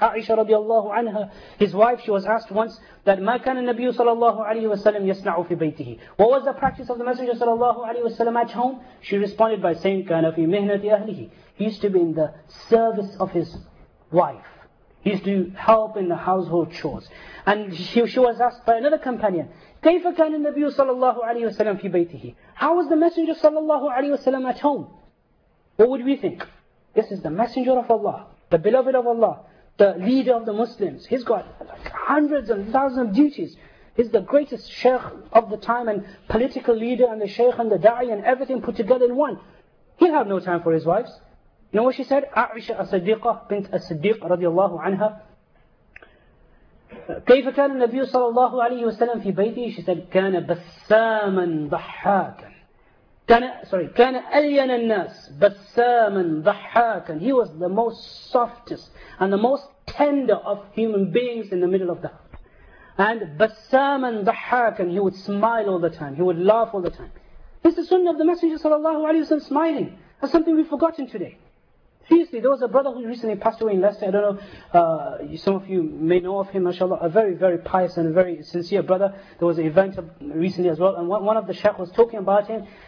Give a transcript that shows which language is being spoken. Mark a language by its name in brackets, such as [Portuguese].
[English] Aisha radiallahu anha, his wife, she was asked once that, [Arabic] مَا كَانَ النَّبِيُّ [English] sallallahu alaihi wasallam [Arabic] يَسْنَعُ فِي بَيْتِهِ. [English] What was the practice of the Messenger sallallahu alaihi wasallam at home? She responded by saying, [Arabic] كَانَ فِي مِهْنَةِ أَهْلِهِ. [English] He used to be in the service of his wife. He used to help in the household chores. And she was asked by another companion, [Arabic] كيف كان النبي صلى الله عليه وسلم في بيته? [English] How was the Messenger صلى الله عليه وسلم at home? What would we think? This is the Messenger of Allah, the beloved of Allah, the leader of the Muslims. He's got like hundreds and thousands of duties. He's the greatest sheikh of the time and political leader and the sheikh and the da'i and everything put together in one. He'll have no time for his wives. You know what she said? Aisha as-Siddiqa bint as-Siddiq radiallahu anha. [Arabic] كيف كان النبي صلى الله عليه وسلم في بيته? [English] She said, [Arabic] كان بساما ضحاكا. كان ألين الناس بساما ضحاكا. [English] He was the most softest and the most tender of human beings in the middle of the house. And [Arabic] بساما ضحاكا. [English] He would smile all the time. He would laugh all the time. This is the sunnah of the Messenger صلى الله عليه وسلم smiling. That's something we've forgotten today. Seriously, there was a brother who recently passed away in Leicester. I don't know, some of you may know of him, mashallah. A very, very pious and very sincere brother. There was an event recently as well. And one of the sheikh was talking about him.